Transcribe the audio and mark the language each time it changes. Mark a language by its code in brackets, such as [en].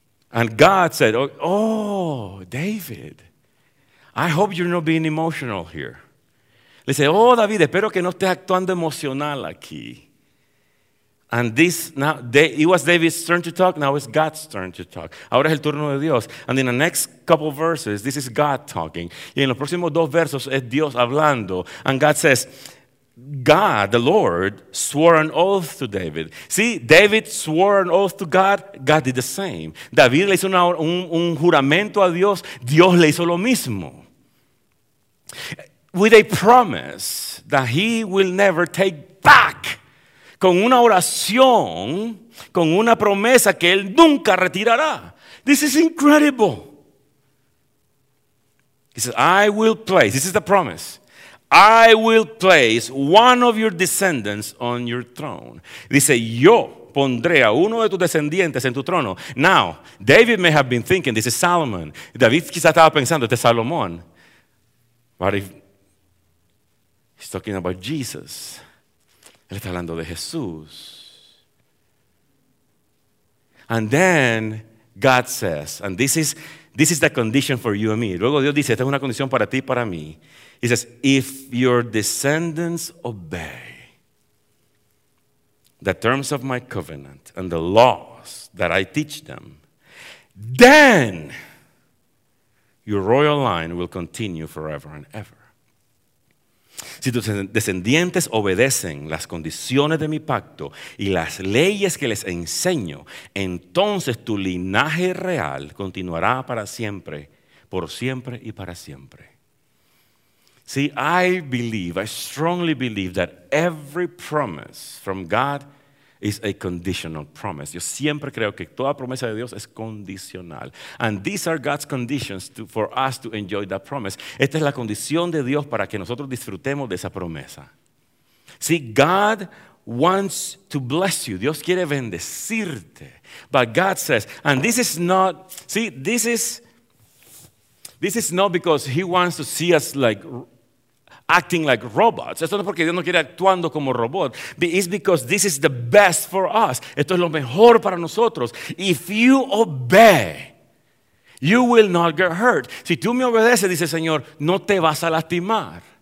[en] And God said, oh, David, I hope you're not being emotional here. [es] Le dice, oh, David, espero que no estés actuando emocional aquí. [en] And this, now, it was David's turn to talk, now it's God's turn to talk. [es] Ahora es el turno de Dios. [en] And in the next couple of verses, this is God talking. [es] Y en los próximos dos versos es Dios hablando. [en] And God says, God, the Lord, swore an oath to David. See, David swore an oath to God, God did the same. [es] David le hizo un juramento a Dios, Dios le hizo lo mismo. [en] With a promise that he will never take back. [es] Con una oración, con una promesa que él nunca retirará. [en] This is incredible. He says, I will place, this is the promise, I will place one of your descendants on your throne. [es] Dice, yo pondré a uno de tus descendientes en tu trono. [en] Now, David may have been thinking, this is Solomon. [es] David quizá estaba pensando, este es Salomón. [en] But if he's talking about Jesus. [es] Él está hablando de Jesús. [en] And then God says, and this is the condition for you and me. [es] Luego Dios dice, esta es una condición para ti y para mí. [en] He says, if your descendants obey the terms of my covenant and the laws that I teach them, then your royal line will continue forever and ever. [es] Si tus descendientes obedecen las condiciones de mi pacto y las leyes que les enseño, entonces tu linaje real continuará para siempre, por siempre y para siempre. [en] See, I strongly believe that every promise from God is a conditional promise. [es] Yo siempre creo que toda promesa de Dios es condicional. [en] And these are God's conditions for us to enjoy that promise. [es] Esta es la condición de Dios para que nosotros disfrutemos de esa promesa. [en] See, God wants to bless you. [es] Dios quiere bendecirte. [en] But God says, and this is not, see, this is not because he wants to see us like acting like robots. [es] Esto no es porque Dios no quiere actuando como robot. [en] It's because this is the best for us. [es] Esto es lo mejor para nosotros. [en] If you obey, you will not get hurt. [es] Si tú me obedeces, dice el Señor, no te vas a lastimar.